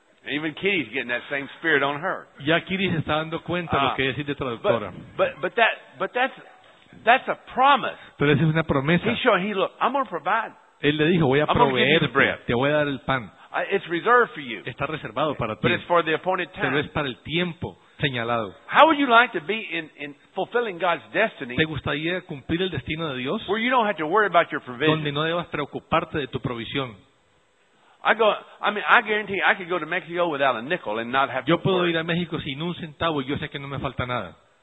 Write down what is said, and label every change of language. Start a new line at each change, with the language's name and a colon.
English: Even Kitty's getting that same spirit on her.
Spanish: Ya Kitty se está dando cuenta lo que dice de traductora.
English: But that's a promise.
Spanish: Pero esa es una promesa.
English: He's showing, look, I'm going to provide.
Spanish: Él le dijo, voy a
English: I'm
Spanish: proveer,
English: give you the bread.
Spanish: Te voy a dar el pan.
English: It's reserved for you.
Spanish: Está reservado para
English: but
Spanish: ti.
English: It's for the appointed time.
Spanish: Pero es para el tiempo. Señalado.
English: How would you like to be in fulfilling God's destiny?
Spanish: ¿Te gustaría cumplir el destino de Dios?
English: Where you don't have to worry about your provision.
Spanish: Donde no debas preocuparte de tu provisión.
English: I guarantee I could go to Mexico without a nickel and not have to worry.
Spanish: Yo puedo ir a México sin un centavo y yo sé que no me falta nada.